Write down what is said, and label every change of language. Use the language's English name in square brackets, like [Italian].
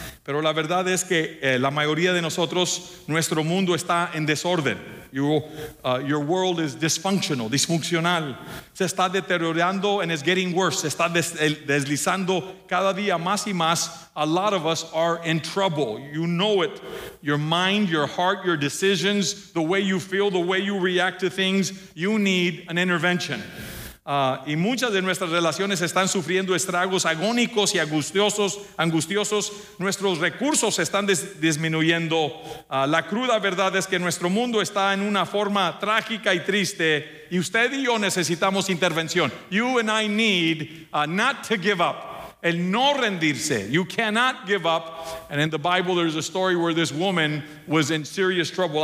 [Spanish] Pero la verdad es que la mayoría de nosotros, nuestro mundo está en desorden. [English] Your world is dysfunctional, disfuncional. [Spanish] Se está deteriorando [English] and it's getting worse. [Spanish] Se está deslizando cada día más y más. [English] A lot of us are in trouble. You know it. Your mind, your heart, your decisions, the way you feel, the way you react to things, you need an intervention. [Spanish] Y muchas de nuestras relaciones están sufriendo estragos agónicos y angustiosos. Nuestros recursos están disminuyendo. La cruda verdad es que nuestro mundo está en una forma trágica y triste. Y usted y yo necesitamos intervención. [English] You and I need not to give up. [Spanish] El no rendirse. [English] You cannot give up. And in the Bible there's a story where this woman was in serious trouble.